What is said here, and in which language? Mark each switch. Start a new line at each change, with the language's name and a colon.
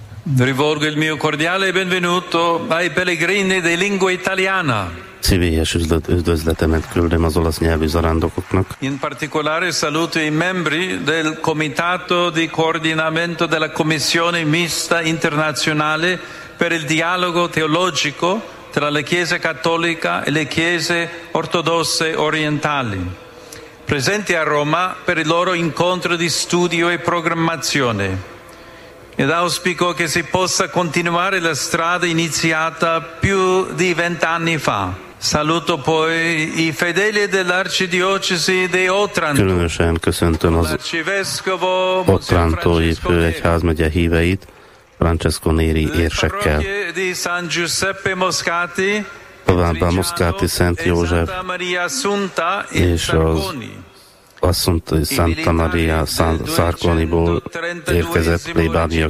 Italian: Rivolgo il mio cordiale benvenuto ai pellegrini di lingua italiana.
Hungarian: Szívélyes üdvözletemet küldöm az olasz nyelvű zarándokoknak.
Italian: In particolare saluto i membri del Comitato di Coordinamento della Commissione Mista Internazionale per il Dialogo Teologico tra la Chiesa Cattolica e le Chiese Ortodosse Orientali, presenti a Roma per il loro incontro di studio e programmazione. Ed auspico che si possa continuare la strada iniziata più di 20 anni fa. Saluto poi i fedeli dell'arcidiocesi di Otranto.
Hungarian: Különösen köszöntöm az arcivescovo Otrantói főegyházmegye híveit, Francesco Neri érsekkel.
Italian: Di San Giuseppe Moscati,
Hungarian: továbbá Moscati Szent József és az Assunta Santa Maria Sarconiból érkezett plébánia